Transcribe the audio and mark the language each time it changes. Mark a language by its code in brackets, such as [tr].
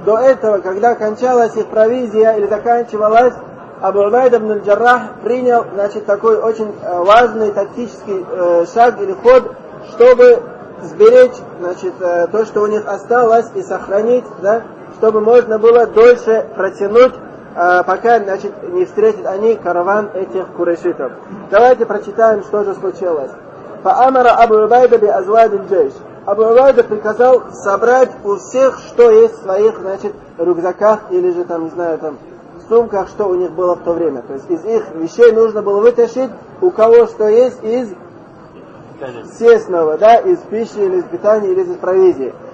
[ru] До этого, когда кончалась их провизия или заканчивалась, Абу Убайд ибн Джаррах принял, значит, такой очень важный тактический шаг или ход, чтобы сберечь, значит, то, что у них осталось, и сохранить, да, чтобы можно было дольше протянуть, пока, значит, не встретят они караван этих курайшитов. Давайте прочитаем, что же случилось. [ar] فأمر أبو عبيدة بأزواد الجيش. [ru] Абу Убайда приказал собрать у всех, что есть в своих, значит, рюкзаках или же там, не знаю, там, сумках, что у них было в то время. То есть из их вещей нужно было вытащить, у кого что есть из съестного, да, из пищи или из питания или из провизии.